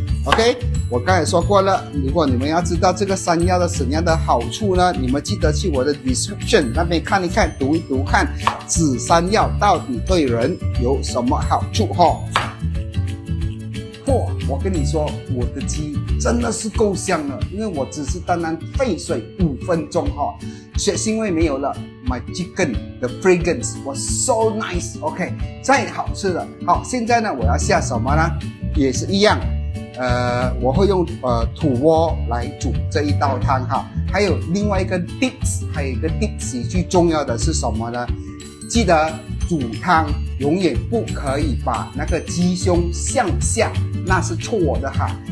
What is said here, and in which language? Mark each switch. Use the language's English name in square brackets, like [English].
[Chinese] OK， 我刚才说过了，如果你们要知道这个山药的什么样的好处呢，你们记得去我的 [English] description [Chinese] 那边看一看，读一读看，紫山药到底对人有什么好处哈。嚯、哦！我跟你说，我的鸡真的是够香了，因为我只是单单沸水五分钟哈、哦，血腥味没有了。 [English] My chicken, the fragrance was so nice. [Chinese] OK， 太好吃了。好，现在呢，我要下什么呢？也是一样，我会用土锅来煮这一道汤哈、哦。还有另外一个 [English] tips， [Chinese] 还有一个 tips 最重要的是什么呢？记得煮汤永远不可以把那个鸡胸向下，那是错的哈。